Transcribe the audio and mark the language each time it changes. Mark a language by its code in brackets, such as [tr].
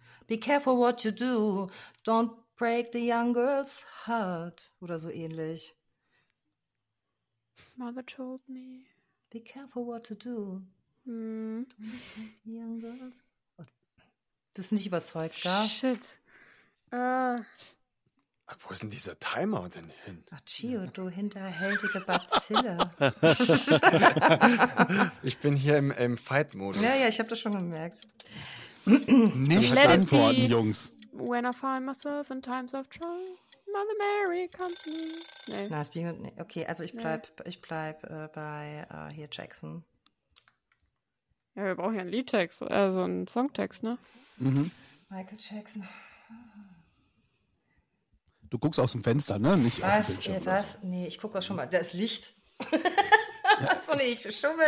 [en] be careful what you do, don't break the young girl's heart. [de] Oder so ähnlich. [en] Mother told me, be careful what to do, don't break the young girl's heart. [de] Du bist nicht überzeugt, gar? [en] Shit. [de] Wo ist denn dieser Timer denn hin? Ach, Gio, du hinterhältige Bazille. Ich bin hier im Fight-Modus. Ja, ich hab das schon gemerkt. Nicht let antworten, Jungs. [en] When I find myself in times of trouble, Mother Mary comes to me. [de] Nee. Na, es bin, nee. Okay, also ich bleib bei hier Jackson. Ja, wir brauchen ja einen Liedtext, also einen Songtext, ne? Mhm. Michael Jackson. Du guckst aus dem Fenster, ne? Nicht was? Auf den was? So. Nee, ich gucke auch schon mal. Da ist Licht. Achso, nee, ich schummel nicht.